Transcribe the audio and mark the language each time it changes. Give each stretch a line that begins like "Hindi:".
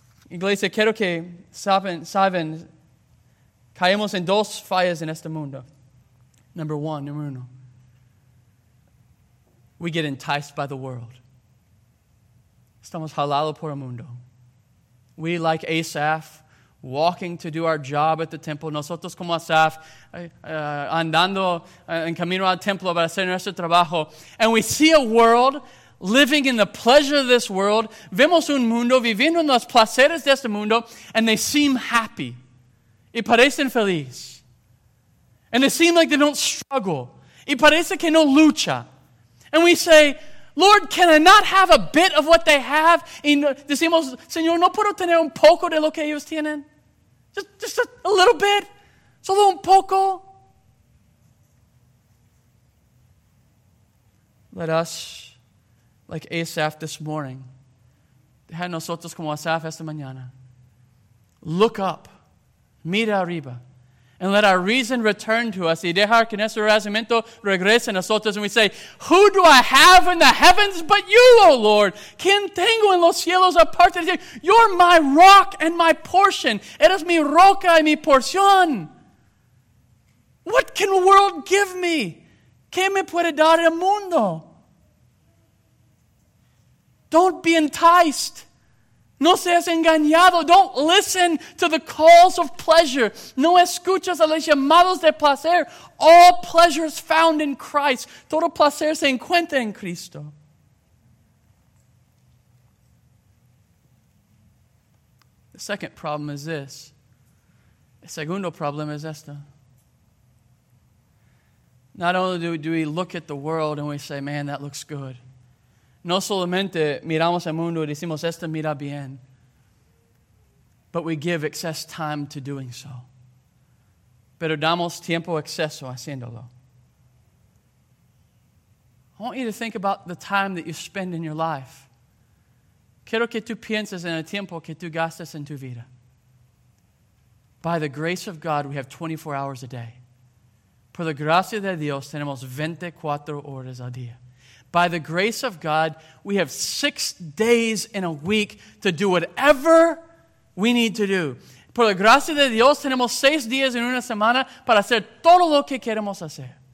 Spanish: Iglesia, quiero que saben. Caemos en dos fallas en este mundo. Number uno.
English: We get enticed by the world.
Spanish: Estamos jalados por el mundo.
English: We, like Asaph, walking to do our job at the temple.
Spanish: Nosotros como Asaph, andando en camino al templo para hacer nuestro trabajo.
English: And we see a world living in the pleasure of this world.
Spanish: Vemos un mundo viviendo en los placeres de este mundo.
English: And they seem happy.
Spanish: Y parecen feliz.
English: And they seem like they don't struggle.
Spanish: Y parece que no lucha.
English: And we say, Lord, can I not have a bit of what they have?
Spanish: Y decimos, Señor, ¿no puedo tener un poco de lo que ellos tienen?
English: Just a little bit.
Spanish: Solo un poco.
English: Let us, like Asaph this morning,
Spanish: deja nosotros como Asaph esta mañana,
English: look up.
Spanish: Mira arriba.
English: And let our reason return to us.
Spanish: Y dejar que nuestro razonamiento regrese a nosotros.
English: And we say, who do I have in the heavens but you, O Lord?
Spanish: ¿Quién tengo en los cielos aparte de ti?
English: You're my rock and my portion.
Spanish: Eres mi roca y mi porción.
English: What can the world give me?
Spanish: ¿Qué me puede dar el mundo?
English: Don't be enticed.
Spanish: No seas engañado.
English: Don't listen to the calls of pleasure.
Spanish: No escuchas a los llamados de placer.
English: All pleasure is found in Christ.
Spanish: Todo placer se encuentra en Cristo.
English: The second problem is this.
Spanish: El segundo problema es esto.
English: Not only do we look at the world and we say, man, that looks good.
Spanish: No solamente miramos el mundo y decimos, esto mira bien.
English: But we give excess time to doing so.
Spanish: Pero damos tiempo exceso haciéndolo.
English: I want you to think about the time that you spend in your life.
Spanish: Quiero que tú pienses en el tiempo que tú gastas en tu vida.
English: By the grace of God, we have 24 hours a day.
Spanish: Por la gracia de Dios, tenemos 24 horas al día.
English: By the grace of God, we have 6 days in a week to do whatever we need to do.
Spanish: Por la gracia de Dios, tenemos 6 días en una semana para hacer todo lo que queremos hacer.